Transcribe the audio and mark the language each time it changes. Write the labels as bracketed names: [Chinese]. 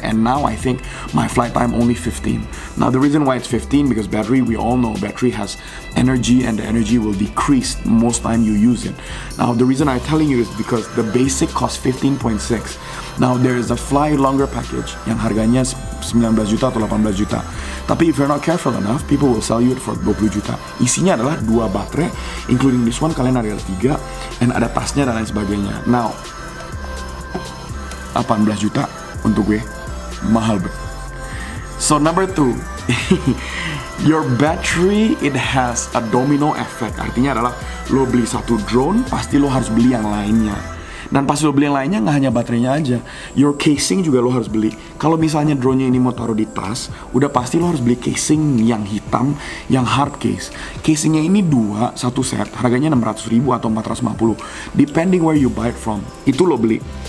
[English] And now I think my flight time only 15. Now the reason why it's 15, because battery, we all know battery has energy and the energy will decrease most time you use it. Now the reason I'm telling you is because the basic costs 15.6. Now there is a fly longer package [Indonesian] yang harganya 19 juta atau 18 juta. [English] Tapi if you're not careful enough, people will sell you it for [Indonesian] 20 juta. Isinya adalah 2 baterai, [English] including this one, [Indonesian] kalian ada 3, and ada tasnya dan lain sebagainya. Now, 18 juta untuk gue, mahal bro. [English] So number 2, your battery, it has a domino effect. [Indonesian] Artinya adalah, lo beli satu drone, pasti lo harus beli yang lainnya. Dan pas lo beli yang lainnya, nggak hanya baterainya aja, your casing juga lo harus beli. Kalau misalnya drone-nya ini mau taruh di tas, udah pasti lo harus beli casing yang hitam, yang hard case. Casingnya ini dua, satu set, harganya 600.000 atau 450, [English] depending where you buy it from. [Indonesian] Itu lo beli.